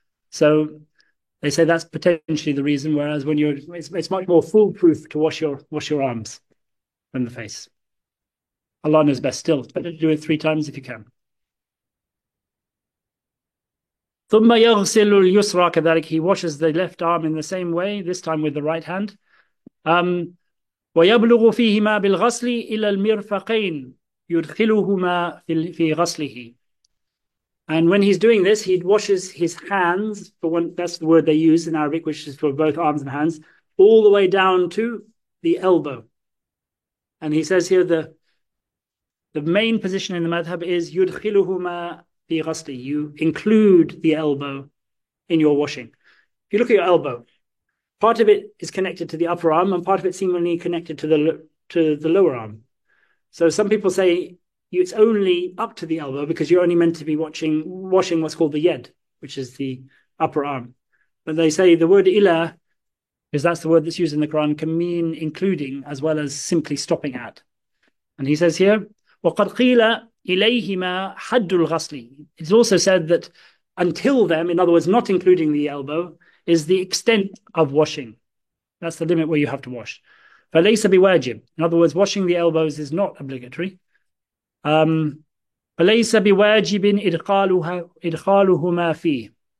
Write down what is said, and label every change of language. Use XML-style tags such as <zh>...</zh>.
<en>So they say that's potentially the reason, whereas when you're, it's much more foolproof to wash your arms than the face. Allah knows best still. It's better to do it three times if you can.</en> <ar>ثم يغسل اليسرى كذلك.</ar> <en>He washes the left arm in the same way, this time with the right hand.</en> <ar>ويبلغ فيهما بالغسل إلى المرفقين يدخلهما في غسله.</ar> <en>And when he's doing this, he washes his hands, for one, that's the word they use in Arabic, which is for both arms and hands, all the way down to the elbow. And he says here the main position in the madhab is</en> <ar>yudkhiluhuma fi ghasli.</ar> <en>You include the elbow in your washing. If you look at your elbow, part of it is connected to the upper arm and part of it seemingly connected to the lower arm. So some people say it's only up to the elbow because you're only meant to be washing what's called the yed, which is the upper arm. But they say the word ila, because that's the word that's used in the Quran, can mean including as well as simply stopping at. And he says here,</en> <ar>وَقَدْ قِيلَ إِلَيْهِمَا حَدُّ الْغَسْلِ.</ar> <en>It's also said that until them, in other words, not including the elbow, is the extent of washing. That's the limit where you have to wash.</en> <ar>فَلَيْسَ بِوَاجِبٍ.</ar> <en>In other words, washing the elbows is not obligatory.</en> <ar>فَلَيْسَ بِوَاجِبٍ إِدْخَالُهُمَا فِيهِ.</ar>